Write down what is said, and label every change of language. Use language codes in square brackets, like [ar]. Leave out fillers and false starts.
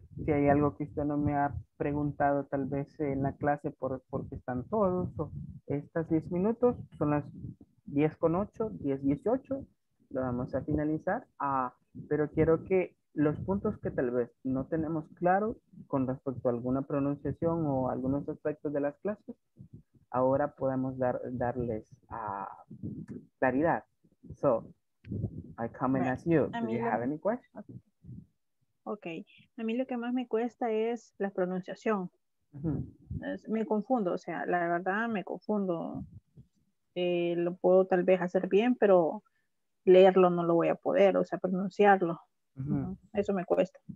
[es] Si hay algo que usted no me ha preguntado tal vez en la clase porque están todos, o estas 10 minutos, son las 10:08, 10:18, lo vamos a finalizar. Pero quiero que los puntos que tal vez no tenemos claro con respecto a alguna pronunciación o algunos aspectos de las clases, ahora podemos darles claridad. [en] So, I come and ask you, do you have any questions? [es] Ok, a mí lo que más me cuesta es la pronunciación. Me confundo, o sea, la verdad me confundo. Lo puedo tal vez hacer bien, pero leerlo no lo voy a poder, o sea, pronunciarlo. Eso me cuesta.